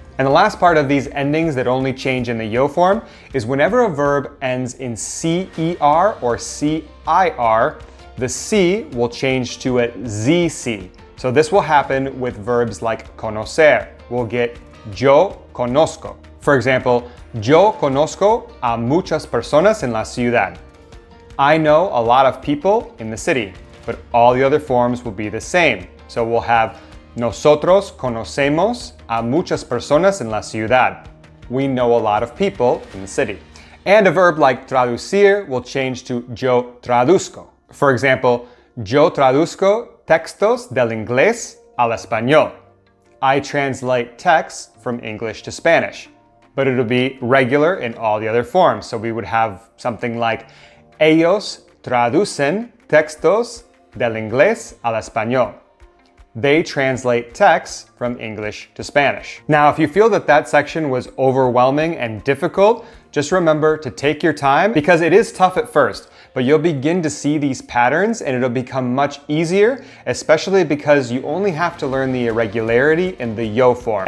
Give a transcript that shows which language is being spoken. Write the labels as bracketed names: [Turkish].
[English] And the last part of these endings that only change in the yo form is whenever a verb ends in C-E-R or C-I-R, the C will change to a Z-C. So this will happen with verbs like conocer. We'll get yo conozco. [Spanish] For example, yo conozco a muchas personas en la ciudad. [English] I know a lot of people in the city, but all the other forms will be the same. [Spanish] So we'll have nosotros conocemos a muchas personas en la ciudad. [English] We know a lot of people in the city. And a verb like traducir will change to yo traduzco. [Spanish] For example, yo traduzco textos del inglés al español. [English] I translate texts from English to Spanish. But it'll be regular in all the other forms. [Spanish] So we would have something like ellos traducen textos del inglés al español. [English] They translate texts from English to Spanish. Now, if you feel that that section was overwhelming and difficult, just remember to take your time because it is tough at first, but you'll begin to see these patterns and it'll become much easier, especially because you only have to learn the irregularity in the yo form.